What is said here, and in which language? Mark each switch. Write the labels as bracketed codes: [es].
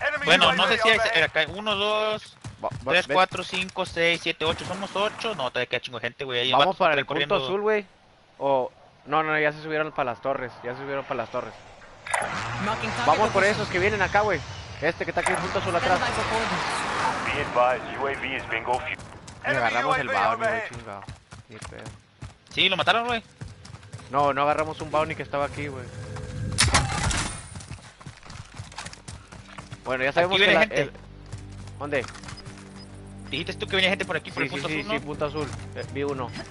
[es] Bueno, no sé si hay acá. 1, 2, 3, 4, 5, 6, 7, 8. Somos 8. No, todavía queda chingo gente, güey. Vamos para el punto azul, güey. O... No, no, ya se subieron para las torres. Ya se subieron para las torres. Vamos por esos que vienen acá, güey. Este que está aquí en punto azul atrás. [en] Be advised, UAV is bingo fuel. [es] Y agarramos el Bounty, güey, chingado. Sí, lo mataron, güey. No, no agarramos un Bounty que estaba aquí, güey. Bueno, ya sabemos aquí que viene la gente. ¿Dónde? Dijiste tú que venía gente por aquí, por sí, el punto sí, azul, sí, ¿no? Sí, punto azul. Vi uno.